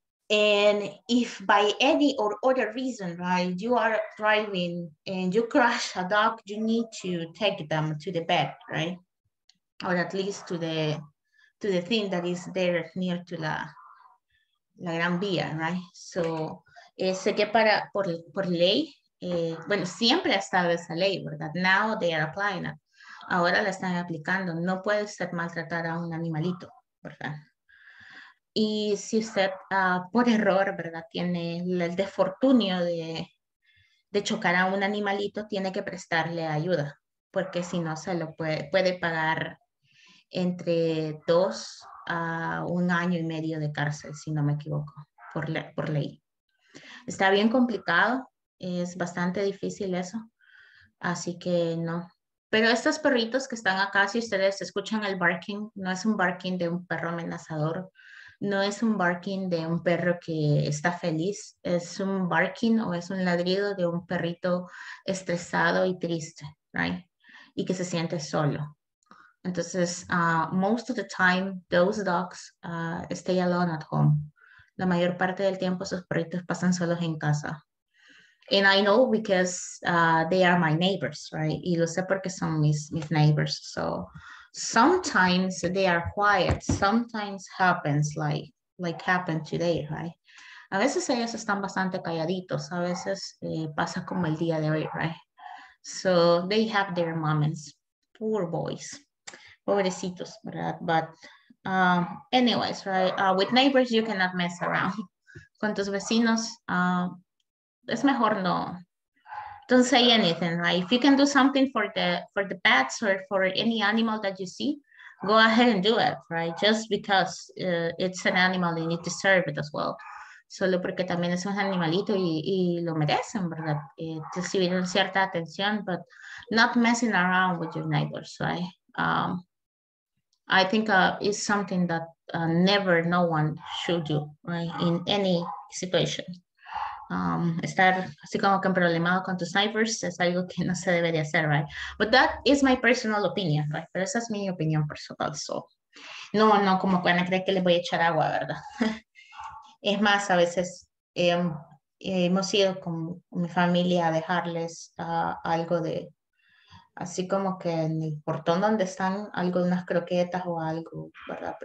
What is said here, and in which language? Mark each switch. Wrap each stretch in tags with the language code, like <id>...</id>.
<en>And if by any or other reason, right, you are driving and you crash a dog, you need to take them to the vet, right? Or at least to the thing that is there near to la, la Gran Vía, right?</en> <es>So, sé que para, por, por ley, bueno, siempre ha estado esa ley, ¿verdad?</es> <en>Now they are applying it.</en> <es>Ahora la están aplicando. No puede usted maltratar a un animalito, ¿verdad? Y si usted, por error, ¿verdad? Tiene el desfortunio de chocar a un animalito, tiene que prestarle ayuda, porque si no se lo puede, puede pagar entre dos a un año y medio de cárcel, si no me equivoco, por ley. Está bien complicado. Es bastante difícil eso, así que no. Pero estos perritos que están acá, si ustedes escuchan el barking, no es un barking de un perro amenazador, no es un barking de un perro que está feliz, es un barking o es un ladrido de un perrito estresado y triste, right? Y que se siente solo.</es> <en>Entonces, most of the time, those dogs stay alone at home.</en> <es>La mayor parte del tiempo esos perritos pasan solos en casa.</es> <en>And I know because they are my neighbors, right?</en> <es>Y lo sé porque son mis neighbors.</es> <en>So sometimes they are quiet. Sometimes happens like happened today, right?</en> <es>A veces ellos están bastante calladitos. A veces pasa como el día de hoy, right?</es> <en>So they have their moments. Poor boys.</en> <es>Pobrecitos, ¿verdad?</es> <en>But anyways, right? With neighbors, you cannot mess around.</en> <es>Con tus vecinos...</es> <en>it's mejor no, don't say anything, right? If you can do something for the pets or for any animal that you see, go ahead and do it, right? Just because it's an animal, you need to serve it as well.</en> <es>Solo porque también es un animalito y lo merecen, ¿verdad? Recibieron cierta atención,</es> <en>but not messing around with your neighbors, right? I think it's something that never no one should do, right? In any situation.</en> <es>Estar así como que problemado con tus neighbors es algo que no se debe de hacer, right?</es> <en>But that is my personal opinion, right?</en> <es>Pero esa es mi opinión personal,</es> <en>so.</en> <es>No, no, como que van a creer que les voy a echar agua, ¿verdad? Es más, a veces hemos ido con mi familia a dejarles algo de, así como que en el portón donde están, algo de unas croquetas o algo, ¿verdad?</es>